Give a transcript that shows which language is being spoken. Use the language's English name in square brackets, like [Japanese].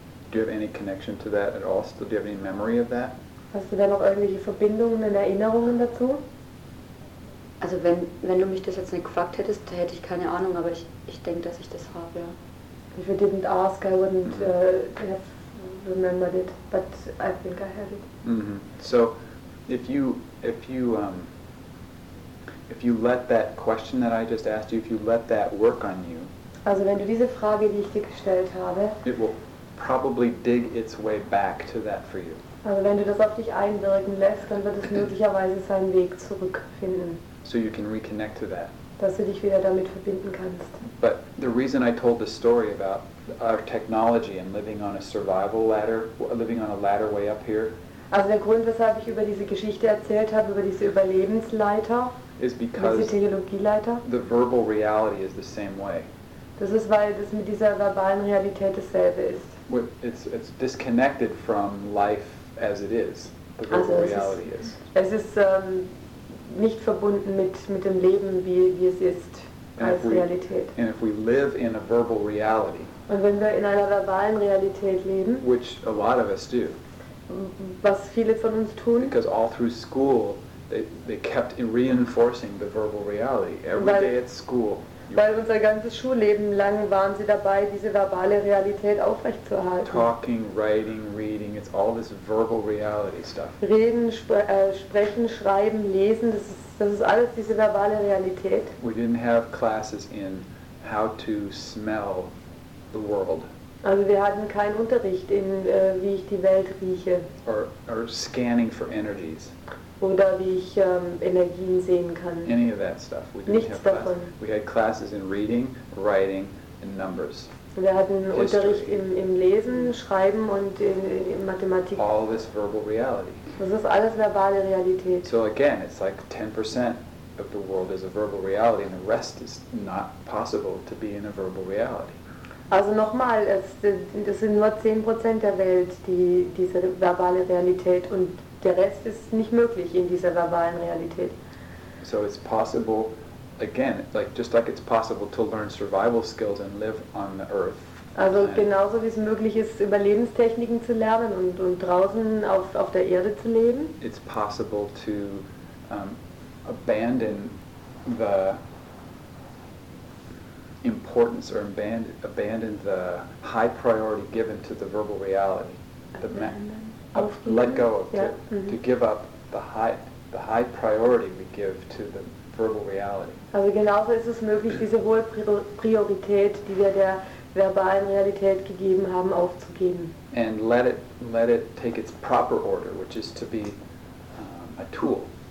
[English] Do you have any connection to that at all? Still, do you have any memory of that? [German] Hast du da noch irgendwelche Verbindungen und Erinnerungen dazu? Also wenn du mich das jetzt nicht gefragt hättest, da hätte ich keine Ahnung, aber ich denke, dass ich das habe, ja. [English] If you didn't ask, I wouldn't have remembered it, but I think I had it. Mm-hmm. So if you let that question that I just asked you, if you let that work on you, [German] also wenn du diese Frage, die ich dir gestellt habe, [English] it will probably dig its way back to that for you. [German] Also wenn du das auf dich einwirken lässt, dann wird es möglicherweise seinen Weg zurückfinden. [English] So you can reconnect to that. [German] Dass du dich wieder damit verbinden kannst. [English] But the reason I told the story about our technology and living on a survival ladder, living on a ladder way up here. [German] Also der Grund, weshalb ich über diese Geschichte erzählt habe, über diese Überlebensleiter, [English] is because [German] diese Technologieleiter, [English] the verbal reality is the same way. [German] Das ist, weil das mit dieser verbalen Realität dasselbe ist. [English] It's disconnected from life as it is. the virtual reality is. [German] Es ist nicht verbunden mit dem Leben, wie es ist, als Realität. [English] And if we live in a verbal reality, [German] und wenn wir in einer verbalen Realität leben, [English] which a lot of us do, [German] was viele von uns tun, [English] because all through school, they kept reinforcing the verbal reality every day at school. [German] Weil unser ganzes Schulleben lang waren sie dabei, diese verbale Realität aufrechtzuerhalten. [English] Talking, writing, reading, it's all this verbal reality stuff. [German] Reden, sprechen, schreiben, lesen, das ist alles diese verbale Realität. [English] We didn't have classes in how to smell the world. [German] Also wir hatten keinen Unterricht in wie ich die Welt rieche. [English] Or scanning for energies. [German] Oder wie ich Energien sehen kann. [English] Any of that stuff. We didn't have classes. We had classes in reading, writing, and numbers. [German] Wir hatten History. Unterricht im Lesen, Schreiben und in Mathematik. [English] All this verbal reality. [German] Das ist alles verbale Realität. [English] So again, it's like 10% of the world is a verbal reality, and the rest is not possible to be in a verbal reality. [German] Also nochmal, das sind nur 10% der Welt, die diese verbale Realität, und der Rest ist nicht möglich in dieser verbalen Realität. [English] So it's possible, again, like just like it's possible to learn survival skills and live on the earth. [German] Also genauso wie es möglich ist, Überlebenstechniken zu lernen und draußen auf der Erde zu leben. [English] It's possible to abandon the importance or abandon the high priority given to the verbal reality. To give up the high priority we give to the verbal reality. [German] Also genauso ist es möglich, diese hohe Priorität, die wir der verbalen Realität gegeben haben, aufzugeben. [English] And let it take its proper order, which is to be a tool.